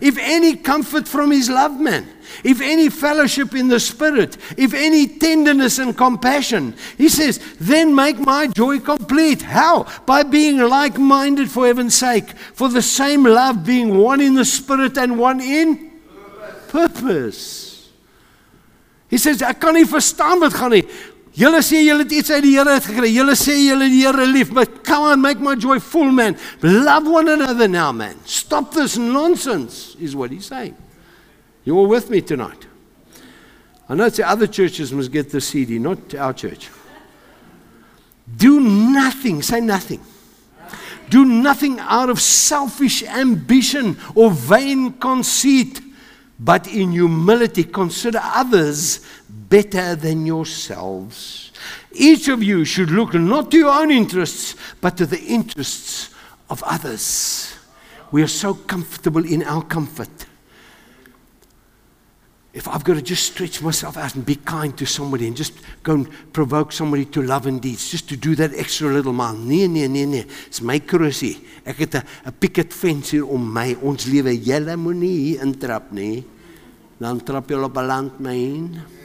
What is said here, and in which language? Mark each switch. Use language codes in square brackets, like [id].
[en] If any comfort from his love, man. If any fellowship in the Spirit. If any tenderness and compassion. He says, then make my joy complete. How? By being like-minded for heaven's sake. For the same love being one in the Spirit and one in? Purpose. [af] He says, ek kan nie verstaan wat gaan nie. Julle sê julle het iets uit die Here gekry. Julle sê julle die Here lief, [en] but come on, make my joy full, man. Love one another now, man. Stop this nonsense, is what he's saying. You all with me tonight? I know the other churches must get the CD, not our church. Do nothing, say nothing. Do nothing out of selfish ambition or vain conceit. But in humility, consider others better than yourselves. Each of you should look not to your own interests, but to the interests of others. We are so comfortable in our comfort. If I've got to just stretch myself out and be kind to somebody and just go and provoke somebody to love and deeds, just to do that extra little mile. Nee. It's my currency. [af] Ek het [en] a picket fence [af] hier om my. Ons lewe, jylle moet nie hier intrap nie. Dan trap jy op 'n landmyn.